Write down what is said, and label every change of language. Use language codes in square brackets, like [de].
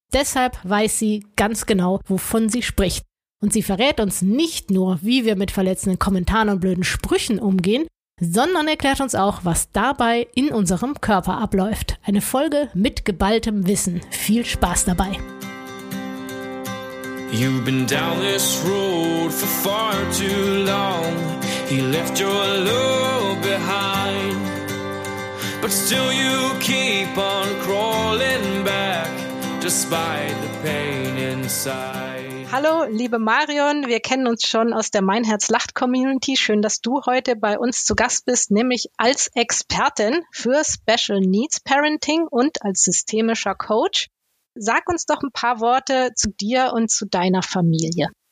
[de] Deshalb weiß sie ganz genau, wovon sie spricht. Und sie verrät uns nicht nur, wie wir mit verletzenden Kommentaren und blöden Sprüchen umgehen, sondern erklärt uns auch, was dabei in unserem Körper abläuft. Eine Folge mit geballtem Wissen. Viel Spaß dabei. [en] You've been down this road for far too long. He left your love behind. But still you keep on crawling back, despite the pain inside. [de] Hallo, liebe Marion, wir kennen uns schon aus der Mein Herz lacht Community. Schön, dass du heute bei uns zu Gast bist, nämlich als Expertin für Special Needs Parenting und als systemischer Coach. Sag uns doch ein paar Worte zu dir und zu deiner Familie.